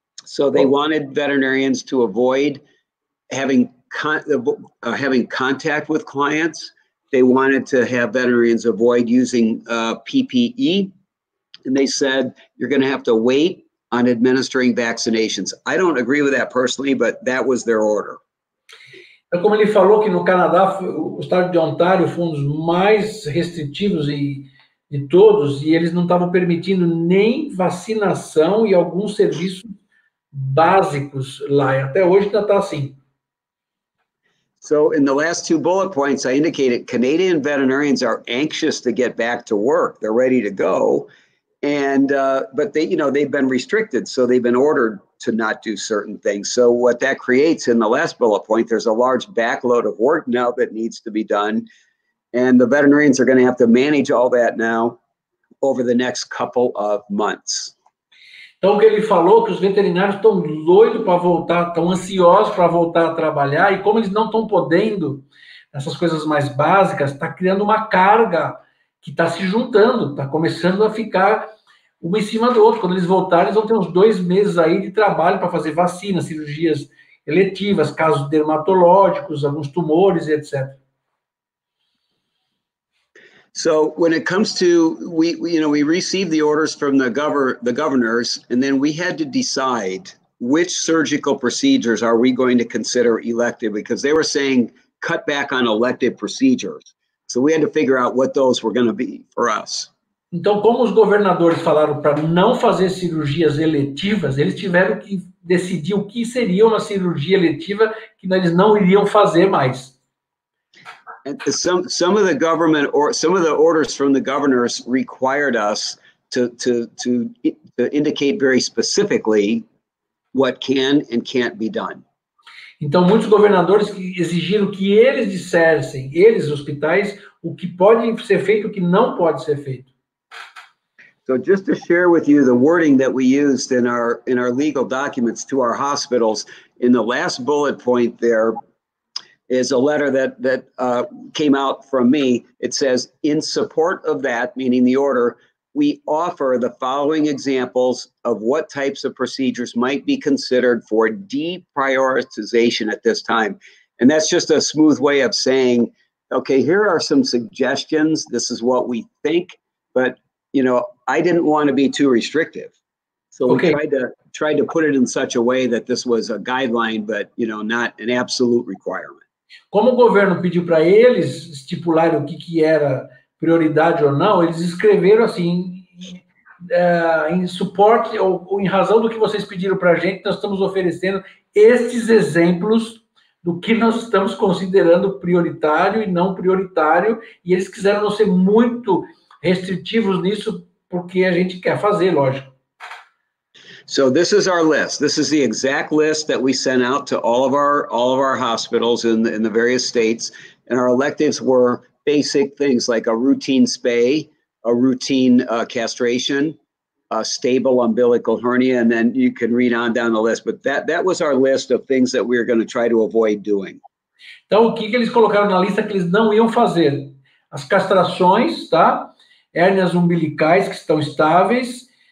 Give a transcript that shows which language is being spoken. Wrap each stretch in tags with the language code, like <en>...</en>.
<en>So they wanted veterinarians to avoid having contact with clients. They wanted to have veterinarians avoid using PPE. And they said, you're going to have to wait on administering vaccinations. I don't agree with that personally, but that was their order.</en> <pt>É como ele falou que no Canadá, o estado de Ontário foi um dos mais restritivos de todos, e eles não estavam permitindo nem vacinação e alguns serviços básicos lá. E até hoje ainda está assim.</pt> <en>So in the last two bullet points, I indicated Canadian veterinarians are anxious to get back to work. They're ready to go. And but they, you know, they've been restricted. So they've been ordered to not do certain things. So what that creates in the last bullet point, there's a large backload of work now that needs to be done. And the veterinarians are going to have to manage all that now over the next couple of months.</en> <pt>Então, o que ele falou, que os veterinários estão doidos para voltar, estão ansiosos para voltar a trabalhar, e como eles não estão podendo essas coisas mais básicas, está criando uma carga que está se juntando, está começando a ficar uma em cima do outro. Quando eles voltarem, eles vão ter uns dois meses aí de trabalho para fazer vacinas, cirurgias eletivas, casos dermatológicos, alguns tumores, etc.</pt> <en>So when it comes to, we received the orders from the governors, and then we had to decide which surgical procedures are we going to consider elective, because they were saying cut back on elective procedures. So we had to figure out what those were going to be for us.</en> <pt>Então, como os governadores falaram para não fazer cirurgias eletivas, eles tiveram que decidir o que seria uma cirurgia eletiva que eles não iriam fazer mais.</pt> <en>And some of the government or some of the orders from the governors required us to indicate very specifically what can and can't be done.</en> <pt>Então muitos governadores exigiram que eles dissessem, eles hospitais, o que pode ser feito e o que não pode ser feito.</pt> <en>So just to share with you the wording that we used in our legal documents to our hospitals in the last bullet point there is a letter that came out from me. It says, in support of that, meaning the order, we offer the following examples of what types of procedures might be considered for deprioritization at this time. And that's just a smooth way of saying, okay, here are some suggestions. This is what we think. But, you know, I didn't want to be too restrictive. So okay. we tried to put it in such a way that this was a guideline, but, you know, not an absolute requirement.</en> <pt>Como o governo pediu para eles estipular o que era prioridade ou não, eles escreveram assim, em suporte ou em razão do que vocês pediram para a gente, nós estamos oferecendo estes exemplos do que nós estamos considerando prioritário e não prioritário, e eles quiseram não ser muito restritivos nisso, porque a gente quer fazer, lógico.</pt> <en>So this is our list. This is the exact list that we sent out to all of our hospitals in the various states. And our electives were basic things like a routine spay, a routine castration, a stable umbilical hernia, and then you can read on down the list. But that was our list of things that we were going to try to avoid doing.</en> <pt>Então, o que eles colocaram na lista que eles não iam fazer? As castrações, tá? Hérnias umbilicais que estão estáveis.</pt>